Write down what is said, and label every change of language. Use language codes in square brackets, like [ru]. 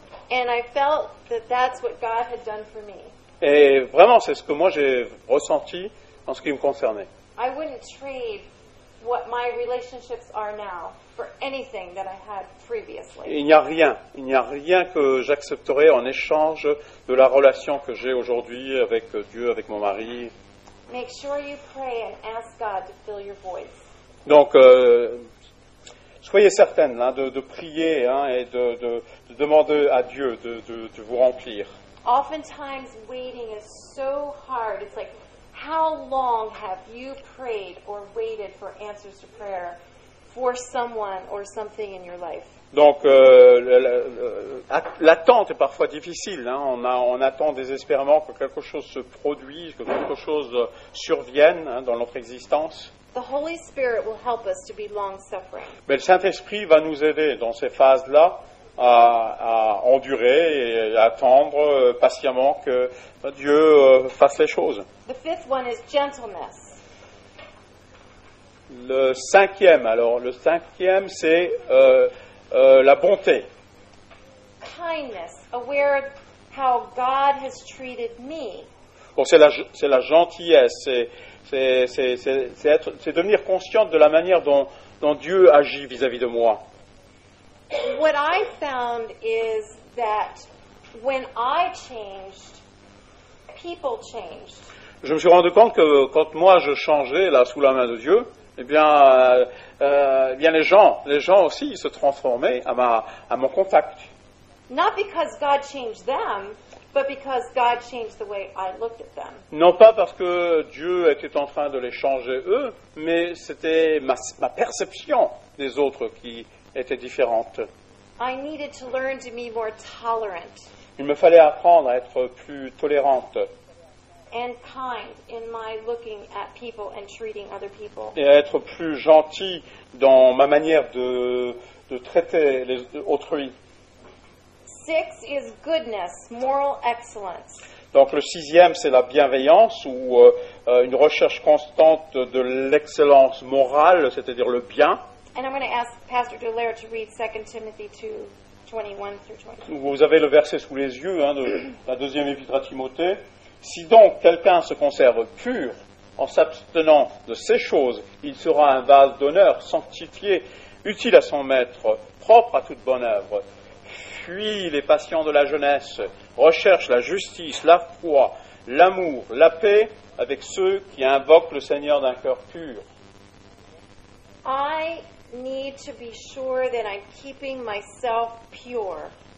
[en] And I felt that that's what God had done for me. [fr] Et vraiment c'est ce que moi j'ai ressenti en ce qui me concernait. [en] I wouldn't trade what my relationships are now for anything that I had previously. [fr] Il n'y a rien que j'accepterai en échange de la relation que j'ai aujourd'hui avec Dieu, avec mon mari. [en] Make sure you pray and ask God to fill your voice. [fr] Donc soyez certaine hein, de prier hein, et de demander à Dieu de vous remplir. [en] Oftentimes waiting is so hard. It's like, how long have you prayed or waited for answers to prayer for someone or something in your life? [fr] Donc, l'attente est parfois difficile. Hein? On attend désespérément que quelque chose se produise, que quelque chose survienne hein, dans notre existence. [en] The Holy Spirit will help us to be long-suffering. [fr] Mais le Saint-Esprit va nous aider dans ces phases-là à endurer et à attendre patiemment que Dieu fasse les choses. [en] The fifth one is gentleness. [fr] Le cinquième, c'est la bonté. [en] Kindness, aware of how God has treated me. [fr] Bon, c'est la gentillesse, c'est devenir consciente de la manière dont Dieu agit vis-à-vis de moi. [en] What I found is that when I changed, people changed. [fr] Je me suis rendu compte que quand moi je changeais là sous la main de Dieu, eh bien les gens aussi se transformaient à mon contact. [en] Not because God changed them, but because God changed the way I looked at them. [fr] Non pas parce que Dieu était en train de les changer eux, mais c'était ma perception des autres qui était différente. [en] I needed to learn to be more tolerant. [fr] Il me fallait apprendre à être plus tolérante. [en] And kind in my looking at people and treating other people. [fr] Et être plus gentil dans ma manière de traiter les autrui. [en] Six is goodness, moral excellence. [fr] Donc le sixième, c'est la bienveillance ou une recherche constante de l'excellence morale, c'est-à-dire le bien. [en] And I'm going to ask Pastor Dallaire to read 2 Timothy 2, 21 through 22. [fr] Vous avez le verset sous les yeux hein, de la deuxième épître à Timothée. Si donc quelqu'un se conserve pur en s'abstenant de ces choses, il sera un vase d'honneur sanctifié, utile à son maître, propre à toute bonne œuvre. Fuis les passions de la jeunesse, recherche la justice, la foi, l'amour, la paix avec ceux qui invoquent le Seigneur d'un cœur pur. [en] I need to be sure that I'm keeping myself pure.